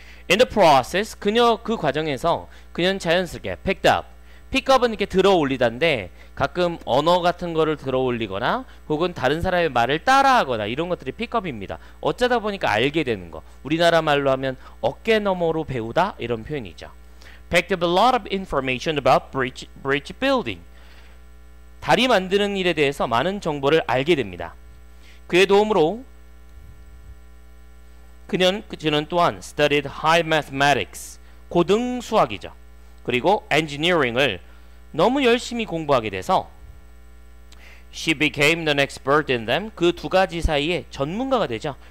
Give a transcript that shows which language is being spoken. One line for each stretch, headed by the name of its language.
English: In the process,
Korean: 그녀 그 과정에서 그녀는 자연스럽게
English: picked up.
Korean: Pick up은 이렇게 들어올리다인데 가끔 언어 같은 거를 들어올리거나 혹은 다른 사람의 말을 따라하거나 이런 것들이 픽업입니다. 어쩌다 보니까 알게 되는 거. 우리나라 말로 하면 어깨 너머로 배우다 이런 표현이죠.
English: Picked up a lot of information about bridge building.
Korean: 다리 만드는 일에 대해서 많은 정보를 알게 됩니다. 그의 도움으로 그녀는 또한
English: studied high mathematics,
Korean: 고등 수학이죠. 그리고 엔지니어링을 너무 열심히 공부하게 돼서
English: she became an expert in them,
Korean: 그 두 가지 사이에 전문가가 되죠.